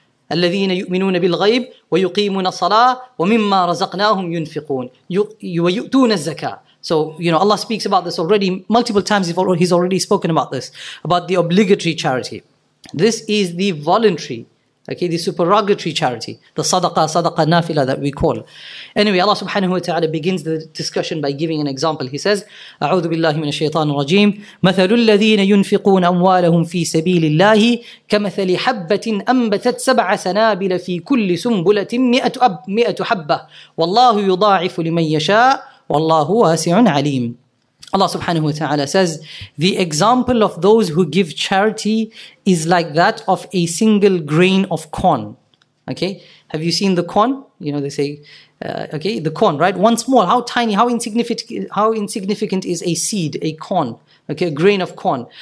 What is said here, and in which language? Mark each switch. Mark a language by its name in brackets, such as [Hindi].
[Arabic] الَّذِينَ يُؤْمِنُونَ بِالْغَيْبِ وَيُقِيمُونَ الصَّلَاةَ وَمِمَّا رَزَقْنَاهُمْ يُنْفِقُونَ وَيُؤْتُونَ الزَّكَاةَ. [English] So, you know, Allah speaks about this already multiple times. He's already spoken about this, about the obligatory charity. This is the voluntary, Okay, the supererogatory charity, the sadaqah, sadaqah nafila that we call. Anyway, Allah subhanahu wa ta'ala begins the discussion by giving an example. He says, [Arabic] أعوذ بالله من الشيطان الرجيم مثل الذين ينفقون أموالهم في سبيل الله كمثل حبة أنبتت سبع سنابل في كل سنبلة مئة حبة والله يضاعف لمن يشاء والله واسع عليم. [English] Allah subhanahu wa ta'ala says, the example of those who give charity is like that of a single grain of corn. Okay, have you seen the corn? You know, they say, the corn, right? One small, how tiny, how insignificant is a seed, a corn, okay, a grain of corn.